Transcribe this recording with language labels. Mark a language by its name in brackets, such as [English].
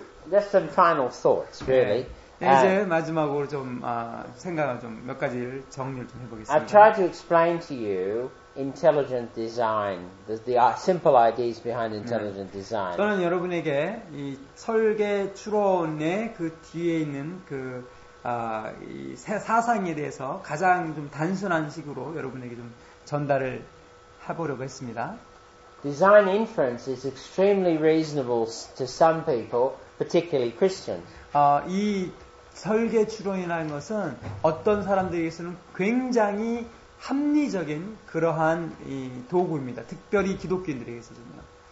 [English] Just some final thoughts, really. [Korean] 이제 마지막으로 좀 생각을 좀 몇 가지를 정리를 좀 해보겠습니다. [English] I tried to explain to you intelligent design, the simple ideas behind intelligent design. [Korean] 저는 여러분에게 이 설계 추론의 그 뒤에 있는 그 이 사상에 대해서 가장 좀 단순한 식으로 여러분에게 좀 전달을 해보려고 했습니다. [English] Design inference is extremely reasonable to some people, particularly Christians. [Korean] 이 설계 추론이라는 것은 어떤 사람들에게서는 굉장히 합리적인 그러한 이 도구입니다. 특별히 기독교인들에게서는요.